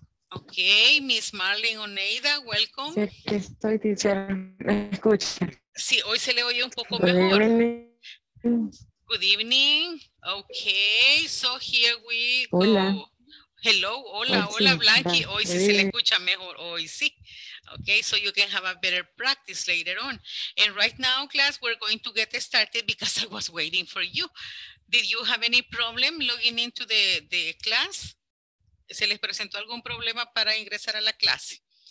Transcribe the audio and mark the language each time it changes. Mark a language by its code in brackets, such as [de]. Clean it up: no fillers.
[en] Ok, Miss Marlene Oneida, welcome. [es] Sí, aquí estoy, teacher. ¿Me escucha? Sí, hoy se le oye un poco mejor. [en] Good evening. Ok, so here we go. [es] Hola. [en] Hello, [es] hola, hola, Blanqui. Hoy sí se le escucha mejor, hoy sí. [en] Okay, so you can have a better practice later on. And right now, class, we're going to get started because I was waiting for you. Did you have any problem logging into the class? [es] ¿Se les presentó algún problema para ingresar a la clase?